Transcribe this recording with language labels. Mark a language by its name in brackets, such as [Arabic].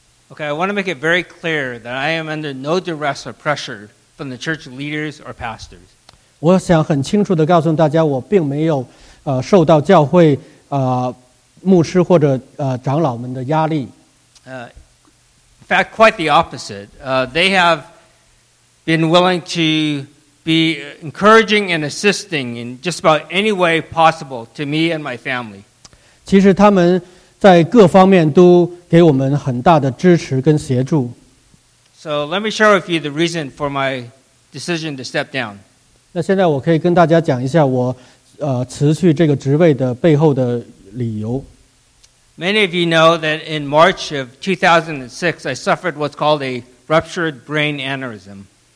[English] Okay, I want to make it very clear that I am under no duress or pressure from the church leaders or pastors. [Chinese] 我想很清楚地告诉大家我并没有受到教会牧师或者长老们的压力。 [English] In fact, quite the opposite. They have been willing to be encouraging and assisting in just about any way possible to me and my family. [Chinese] 其实他们在各方面都给我们很大的支持跟协助。 [English] So let me share with you the reason for my decision to step down. [Chinese] 那现在我可以跟大家讲一下我辞去这个职位的背后的理由。 [English] Many of you know that in March of 2006, I suffered what's called a ruptured brain aneurysm.